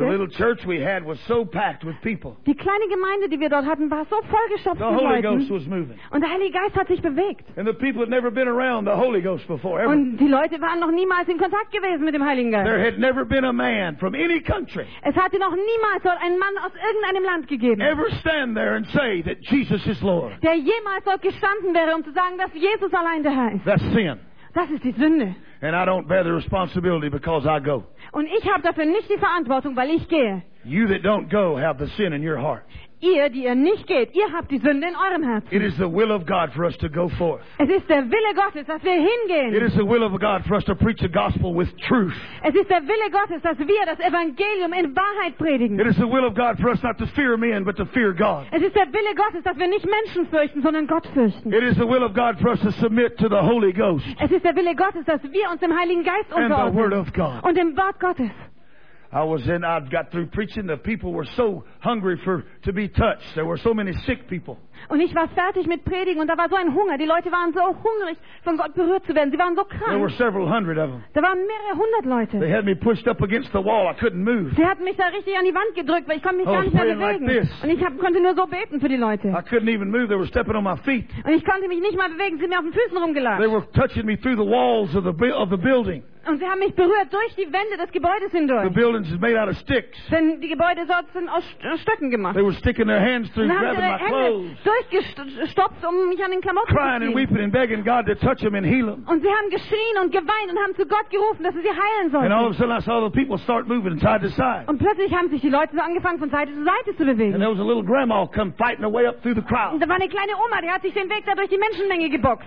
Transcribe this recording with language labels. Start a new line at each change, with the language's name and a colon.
English: The little church we had was so packed with people.
German: Die kleine Gemeinde, die wir dort hatten, war so vollgestopft mit Leuten.
English: The Holy Ghost was moving.
German: Und der Heilige Geist hat sich bewegt.
English: And the people had never been around the Holy Ghost before, ever.
German: Und die Leute waren noch niemals in Kontakt gewesen mit dem Heiligen Geist.
English: There had never been a man from any country.
German: Es hatte noch niemals dort einen Mann aus irgendeinem Land gegeben.
English: Ever stand there and say that Jesus is Lord.
German: Der jemals dort gestanden wäre, um zu sagen, dass Jesus allein der Herr ist.
English: That's sin.
German: Das ist die Sünde.
English: And I don't bear the responsibility because I go.
German: Und ich habe dafür nicht die Verantwortung, weil ich gehe.
English: You that don't go have the sin in your heart.
German: Ihr, die ihr nicht geht, ihr habt die Sünde in eurem Herzen.
English: It is the will of God for us to go forth.
German: Es ist der Wille Gottes, dass wir hingehen.
English: It is the will of God for us to preach the gospel with truth.
German: Es ist der Wille Gottes, dass wir das Evangelium in Wahrheit predigen.
English: It is the will of God for us not to fear men, but to fear God.
German: Es ist der Wille Gottes, dass wir nicht Menschen fürchten, sondern Gott fürchten.
English: It is the will of God for us to submit to the Holy Ghost.
German: Es ist der Wille Gottes, dass wir uns dem Heiligen Geist unterordnen.
English: And the Word of God.
German: Und dem Wort Gottes.
English: I got through preaching. The people were so hungry to be touched. There were so many sick people.
German: Und ich war fertig mit Predigen und da war so ein Hunger. Die Leute waren so hungrig, von Gott berührt zu werden. Sie waren so krank.
English: There were several hundred of them.
German: Da waren mehrere hundert Leute.
English: They had me pushed up against the wall. I couldn't move.
German: Sie hatten mich da richtig an die Wand gedrückt, weil ich konnte mich gar nicht mehr bewegen.
English: Like this.
German: Und ich konnte nur so beten für die Leute.
English: I couldn't even move. They were stepping on my feet.
German: Und ich konnte mich nicht mal bewegen. Sie sind mir auf den Füßen rumgelatscht.
English: They were touching me through the walls of the building.
German: Und sie haben mich berührt durch die Wände des Gebäudes hindurch.
English: The buildings is made out of sticks.
German: Denn die Gebäude dort sind aus Stöcken gemacht.
English: They were sticking their hands through,
German: und
English: grabbing
German: ihre Hände
English: my clothes.
German: Durchgestopft, um mich an den Klamotten
English: crying
German: zu ziehen.
English: And weeping and begging God to touch them and heal them.
German: Und sie haben geschrien und geweint und haben zu Gott gerufen, dass er sie heilen sollte.
English: And all of a sudden I saw the people start moving side to side.
German: Und plötzlich haben sich die Leute so angefangen, von Seite zu Seite zu bewegen.
English: And there was a little grandma come fighting her way up through the crowd.
German: Und da war eine kleine Oma, die hat sich den Weg da durch die Menschenmenge geboxt.